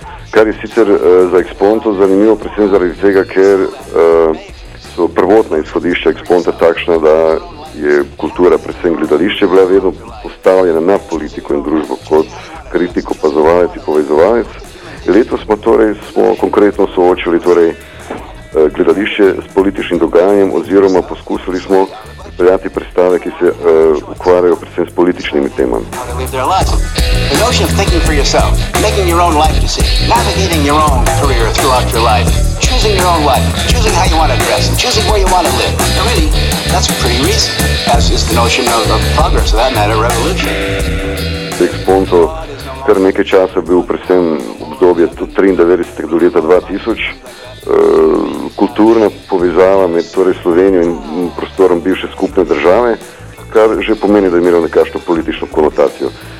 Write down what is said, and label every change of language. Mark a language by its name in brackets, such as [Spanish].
[Slovenian] Kar je sicer za Exponto zanimivo, predvsem zaradi tega, ker so prvotna izhodišča Exponta takšna, da je kultura, predvsem gledališče, bila vedno postavljena na politiko in družbo kot kritik, opazovalec in povezovalec. Letos smo torej smo konkretno soočili torej, gledališče s političnim dogajanjem oziroma poskusili smo prijati predstave, ki se ukvarjajo predvsem s političnimi temami. [English] The notion of thinking for yourself, making your own life decision, navigating your own career throughout your life, choosing your own life, choosing how you want to dress, and choosing where you want to live. Now really, that's pretty recent, as is the notion of progress, for that matter, revolution. [Slovenian] Exponto kar nekaj časa bil predvsem obdobje 93. do leta 2000, kulturna povezava med torej Slovenijo in prostorom bivše skupne države, kar že pomeni, da je imelo nekakšno politično konotacijo.